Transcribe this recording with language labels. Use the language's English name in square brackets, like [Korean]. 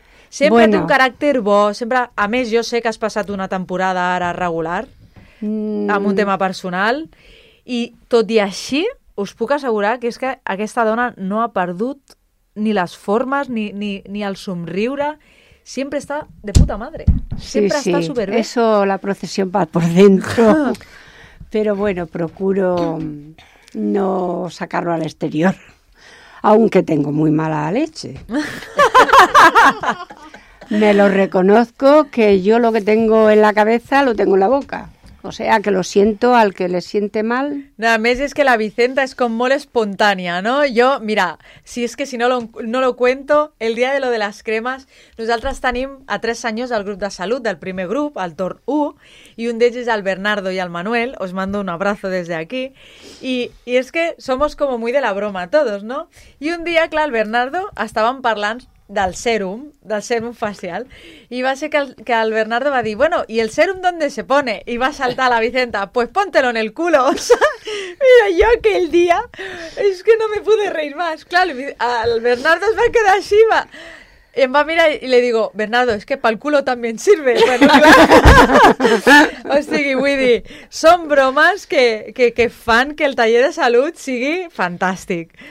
[Catalan] Sempre té un caràcter bo, sempre... A més, jo sé que has passat una temporada ara regular amb un tema personal... I tot i així, us puc assegurar que és que aquesta dona no ha perdut ni les formes, ni el somriure. Sempre està [Spanish] de puta madre. [Catalan] Sempre sí, està superbé. [Spanish] Eso la procesión va por dentro. Pero bueno, procuro no sacarlo al exterior. Aunque tengo muy mala leche. Me lo reconozco que yo lo que tengo en la cabeza lo tengo en la boca. O sea, que lo siento al que le siente mal. [Catalan] A més, és que la Vicenta és com molt espontània, no? Jo, mira, si és que [Spanish] si no lo cuento, [Catalan] el dia de lo de les cremes, nosaltres tenim a 3 anys del grup de salut, del primer grup, el torn 1, i un d'ells és el Bernardo i el Manuel, [Spanish] os mando un abrazo [Catalan] des d'aquí, i és que [Spanish] somos como muy de la broma todos, [Catalan] no? I un dia, clar, el Bernardo estàvem parlant del sèrum facial, i va ser que el Bernardo va dir, bueno, [Spanish] ¿y el sèrum dónde se pone? [Catalan] I va saltar la Vicenta, [Spanish] pues póntelo en el culo. [Catalan] Mira, jo aquell dia és que [Spanish] no me pude reír más. [Catalan] Clar, el Bernardo es va quedar així, va... I em va mirar i li digo, Bernardo, és que pel culo també ens sirve. Bueno, clar. O sigui, vull dir, són bromes que fan que el taller de salut sigui fantàstic.